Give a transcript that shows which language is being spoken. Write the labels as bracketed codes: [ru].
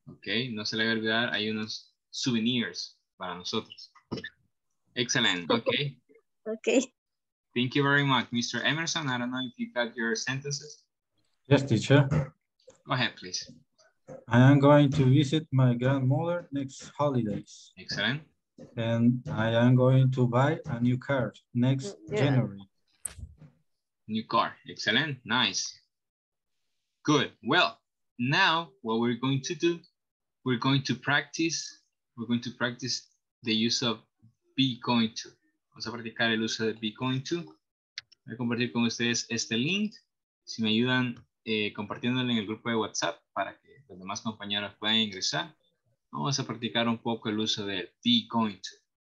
[es] Okay, no se le va a olvidar, hay unos souvenirs para nosotros. [en] Excellent, okay. Okay. Thank you very much, Mr. Emerson. I don't know if you got your sentences. Yes, teacher. Go ahead, please. I am going to visit my grandmother next holidays. Excellent. And I am going to buy a new car next January. New car, excellent, nice. Good. Well, now what we're going to do, we're going to practice the use of be going to. [es] Vamos a practicar el uso de [en] be going to. [es] Voy a compartir con ustedes este link. Si me ayudan compartiéndolo en el grupo de WhatsApp para que los demás compañeros puedan ingresar, vamos a practicar un poco el uso de [en] be going to.